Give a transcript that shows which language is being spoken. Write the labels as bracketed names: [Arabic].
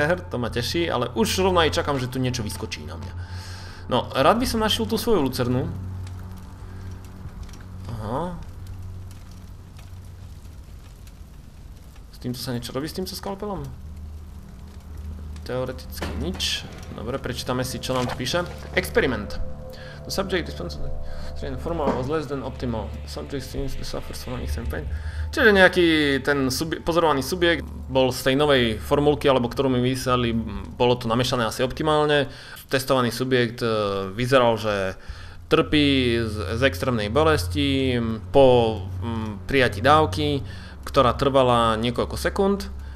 [Slovak] To ma teší, ale už rovno aj čakám, že tu niečo vyskočí na mňa. No, rád by som našiel tú svoju lucernu. Aha. S týmto sa niečo robí, s týmto skalpelom? Teoreticky nič. Dobre, prečítame si, čo nám tu píše. Experiment. [English] The subject is concentrated. The formula was less than optimal. The subject seems to suffer from the same pain. [Slovak] Čiže nejaký ten pozorovaný subjekt bol z tej novej formulky, alebo ktorú mi vysiali, bolo to namiešané asi optimálne. Testovaný subjekt vyzeral, že trpí z extrémnej bolesti po prijatí dávky, ktorá trvala niekoľko sekúnd.